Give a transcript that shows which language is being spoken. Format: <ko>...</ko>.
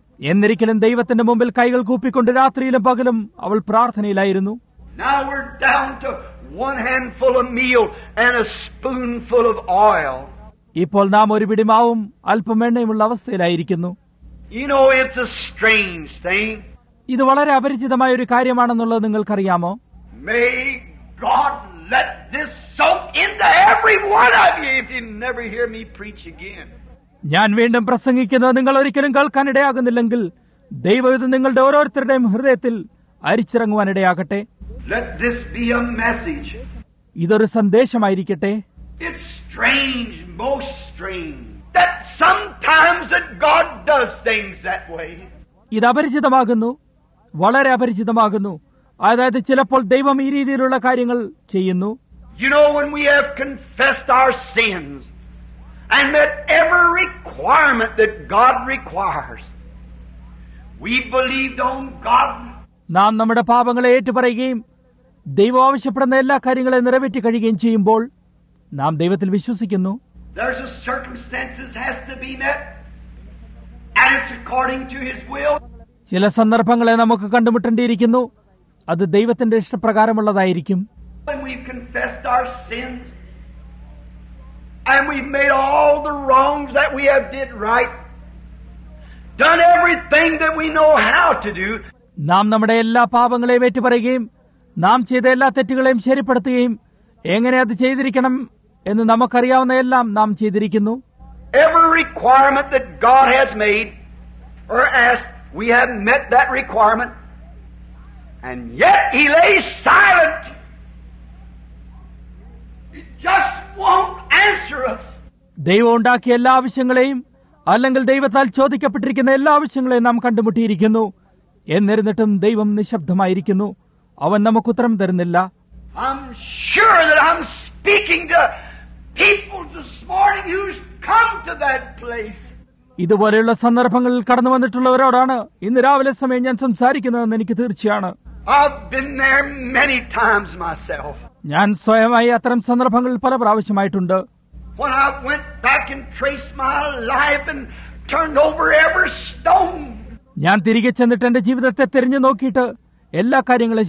<ml>എന്നിരിക്കലും ദൈവത്തിന്റെ മുമ്പിൽ കൈകൾ കൂപ്പിക്കൊണ്ട് രാത്രിയിലും പകലും അവൾ പ്രാർത്ഥനയിലായിരുന്നു.</ml> <en>Now we're down to one handful of meal and a spoonful of oil.</en> <ml>ഇപ്പോൾ നാം ഒരു പിടി മാവും അല്പം എണ്ണയുമുള്ള അവസ്ഥയിലായിരിക്കുന്നു.</ml> <en>You know, it's a strange thing.</en> <ml>ഇത് വളരെ അപരിചിതമായ ഒരു കാര്യമാണെന്നുള്ളത് നിങ്ങൾക്കറിയാമോ?</ml> <en>May God let this soak into every one of you if you never hear me preach again.</en> <ml>ഞാൻ വീണ്ടും പ്രസംഗിക്കുന്നത് നിങ്ങൾ ഒരിക്കലും കേൾക്കാനിടയാകുന്നില്ലെങ്കിൽ ദൈവം ഇത് നിങ്ങളുടെ ഓരോരുത്തരുടെയും ഹൃദയത്തിൽ അരിച്ചിറങ്ങുവാനിടയാകട്ടെ.</ml> <en>Let this be a message.</en> <ml>ഇതൊരു സന്ദേശമായിരിക്കട്ടെ.</ml> <en>It's strange, most strange, that sometimes that God does things that way.</en> <ml>ഇത് അപരിചിതമാകുന്നു, വളരെ അപരിചിതമാകുന്നു. അതായത് ചിലപ്പോൾ ദൈവം ഈ രീതിയിലുള്ള കാര്യങ്ങൾ ചെയ്യുന്നു.</ml> <en>You know, when we have confessed our sins and met every requirement that God requires, we believed on God.</en> <ml>നാം നമ്മുടെ പാപങ്ങളെ ഏറ്റുപറയുകയും ദൈവം ആവശ്യപ്പെടുന്ന എല്ലാ കാര്യങ്ങളെ നിറവേറ്റി കഴിയുകയും ചെയ്യുമ്പോൾ നാം ദൈവത്തിൽ വിശ്വസിക്കുന്നു.</ml> <en>There's a circumstances has to be met and it's according to his will.</en> <ml>ചില സന്ദർഭങ്ങളെ നമുക്ക് കണ്ടുമുട്ടേണ്ടിയിരിക്കുന്നു, അത് ദൈവത്തിന്റെ ഇഷ്ടപ്രകാരമുള്ളതായിരിക്കും.</ml> <en>When we've confessed our sins and we've made all the wrongs that we have did right, done everything that we know how to do.</en> <ml>നാം നമ്മുടെ എല്ലാ പാപങ്ങളെയും ഏറ്റുപറയുകയും നാം ചെയ്ത എല്ലാ തെറ്റുകളെയും ശരിപ്പെടുത്തുകയും എങ്ങനെ അത് ചെയ്തിരിക്കണം എന്ന് നമുക്കറിയാവുന്ന എല്ലാം നാം ചെയ്തിരിക്കുന്നു.</ml> <en>Every requirement that God has made or asked, we have met that requirement. And yet he lays silent. He just won't answer us.</en> <ml>ദൈവം ഉണ്ടാക്കിയ എല്ലാ ആവശ്യങ്ങളെയും അല്ലെങ്കിൽ ദൈവത്താൽ ചോദിക്കപ്പെട്ടിരിക്കുന്ന എല്ലാ ആവശ്യങ്ങളെയും നാം കണ്ടുമുട്ടിയിരിക്കുന്നു. എന്നിരുന്നിട്ടും ദൈവം നിശബ്ദമായിരിക്കുന്നു, അവൻ നമുക്ക് ഉത്തരം തരുന്നില്ല.</ml> <en>I'm sure that I'm speaking to people this morning who's come to that place.</en> <ml>ഇതുപോലെയുള്ള സന്ദർഭങ്ങളിൽ കടന്നു വന്നിട്ടുള്ളവരോടാണ് ഇന്ന് രാവിലെ സമയം ഞാൻ സംസാരിക്കുന്നതെന്ന് എനിക്ക് തീർച്ചയാണ്.</ml> <en>I've been there many times myself.</en> <ml>ഞാൻ സ്വയമായി അത്തരം സന്ദർഭങ്ങളിൽ പല പ്രാവശ്യമായിട്ടുണ്ട്.</ml> <en>When I went back and traced my life and turned over every stone.</en> <ml>ഞാൻ തിരികെ ചെന്നിട്ട് എന്റെ ജീവിതത്തെ തിരിഞ്ഞു നോക്കിയിട്ട് എല്ലാ കാര്യങ്ങളും</ml>